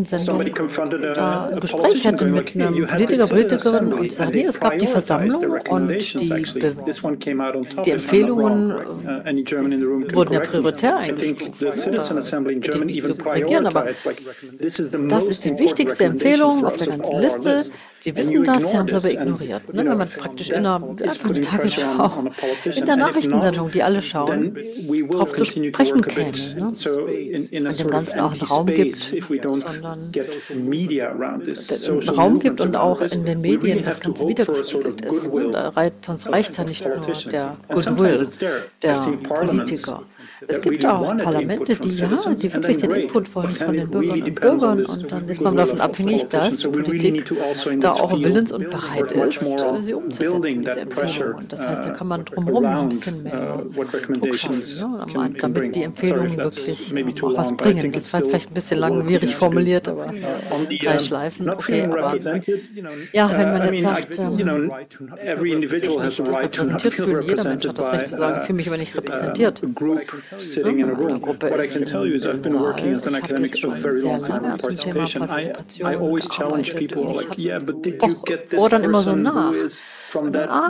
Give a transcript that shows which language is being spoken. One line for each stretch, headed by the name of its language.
English: somebody confronted a politician going like, hey, you had this assembly, and they prioritized the recommendations, actually. This one came out on top, if I'm not wrong, right? Any German in the room can correct me. I think the citizen assembly in Germany even prioritized, this is the most important recommendation.
German: Empfehlung auf der ganzen Liste. Sie wissen das, sie haben es aber ignoriert. Ne? Wenn man praktisch in der Tagesschau, in der Nachrichtensendung, die alle schauen, darauf zu sprechen käme, und dem Ganzen auch einen Raum gibt, und auch in den Medien das Ganze wiedergespiegelt ist. Sonst reicht ja nicht nur der Goodwill der Politiker. Es gibt auch Parlamente, die wirklich den Input wollen von den Bürgern und Bürgern, und dann ist man davon abhängig, dass die Politik da auch willens und bereit ist, sie umzusetzen, diese Empfehlungen. Und das heißt, da kann man drumherum ein bisschen mehr Druck schaffen, ne, damit die Empfehlungen wirklich auch was bringen. Das war jetzt vielleicht ein bisschen langwierig formuliert, aber drei Schleifen, okay, aber ja, wenn man jetzt sagt, sich nicht repräsentiert fühlen, jeder Mensch hat das Recht zu sagen, fühle mich aber nicht repräsentiert.
English: Sitting in a room. What I can tell you is I've been working as an academic for a very long time on participation. I always challenge people like, yeah, but did you get this person who is from that,